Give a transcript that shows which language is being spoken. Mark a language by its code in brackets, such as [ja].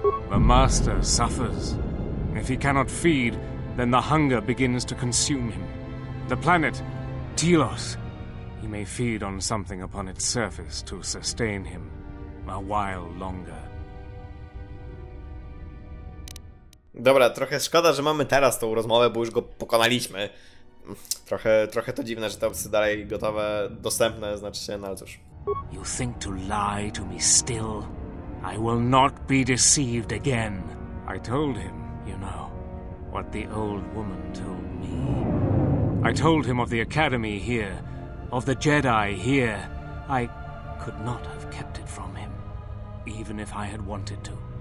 [en] The Master suffers. If he cannot feed, then the hunger begins to consume him. The planet, Telos, he may feed on something upon its surface to sustain him a while longer. [pl] Dobra, trochę szkoda, że mamy teraz tą rozmowę, bo już go pokonaliśmy. Trochę to dziwne, że te opcje dalej gotowe, dostępne, znaczy się, no ale cóż. [en] You think to lie to me still? I will not be deceived again. I told him, you know, what the old woman told me. I told him of the academy here, of the Jedi here. I could not have kept it from him, even if I had wanted to.